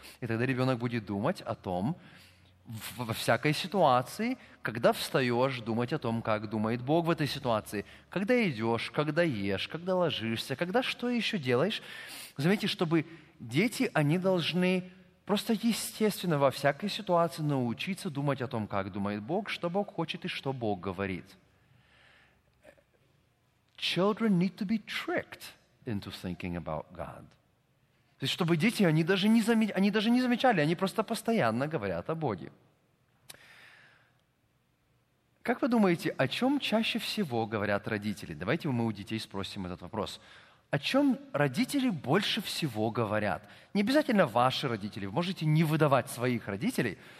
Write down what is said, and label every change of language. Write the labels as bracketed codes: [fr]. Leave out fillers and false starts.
[ru] И тогда ребенок будет думать о том, во всякой ситуации, когда встаешь, думать о том, как думает Бог в этой ситуации, когда идешь, когда ешь, когда ложишься, когда что еще делаешь. Заметьте, чтобы дети, они должны просто естественно во всякой ситуации научиться думать о том, как думает Бог, что Бог хочет и что Бог говорит. [en] Children need to be tricked into thinking about God. [ru] То есть, чтобы дети, они даже не замечали, они просто постоянно говорят о Боге. Как вы думаете, о чем чаще всего говорят родители? Давайте мы у детей спросим этот вопрос. О чем родители больше всего говорят? Не обязательно ваши родители, вы можете не выдавать своих родителей.